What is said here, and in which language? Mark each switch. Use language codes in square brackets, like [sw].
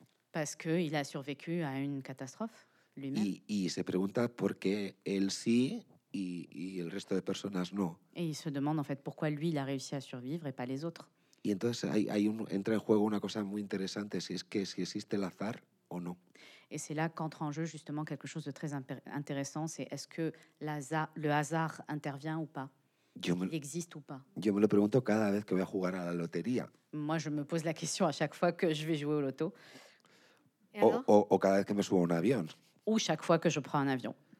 [fr] Parce qu'il a survécu à une catastrophe lui-même. [es] Y se pregunta por qué él sí y el resto de personas no. [fr] Et il se demande en fait pourquoi lui il a réussi à survivre et pas les autres. [es] Y entonces entra en juego una cosa muy interesante, si existe el azar o no. [fr] Et c'est là qu'entre en jeu justement quelque chose de très intéressant, c'est est-ce que le hasard intervient ou pas? Il existe ou pas? [es] Yo me lo pregunto cada vez que voy a jugar a la lotería. [fr] Moi je me pose la question à chaque fois que je vais jouer au loto. [es] O cada vez que me subo a un avión. [fr] Ou chaque fois que je prends un avion.